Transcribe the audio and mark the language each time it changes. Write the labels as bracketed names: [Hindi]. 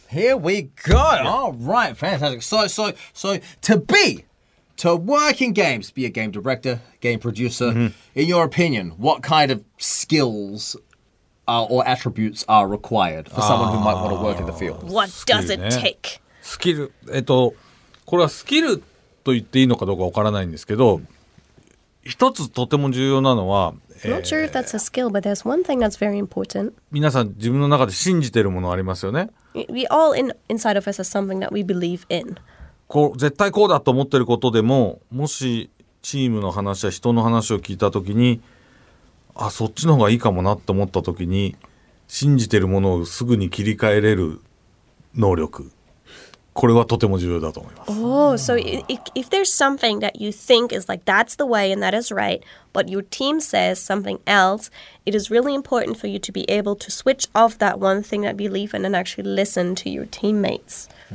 [English] Here we go. All right. Fantastic. So to work in games, be a game director, game producer, in your opinion, what kind of skills or attributes are required for someone who might want to work in the field? What does it take? [Japanese] スキル、これはスキルと言っていいのかどうかわからないんですけど、一つとても重要なのは、 [English] Not sure if that's a skill, but there's one thing that's very important. [Japanese] 皆さん自分の中で信じているものありますよね。 [English] We all inside of us have something that we believe in. [Japanese] こう絶対こうだと思っていることでも、もしチームの話や人の話を聞いたときに、あ、そっちの方がいいかもなと思ったときに、信じているものをすぐに切り替えれる能力。これはとても重要だと思います。 [English] Oh, so if there's something that you think is like that's the way and that is right, but your team says something else, it is really important for you to be able to switch off that one thing that you believe in and actually listen to your teammates.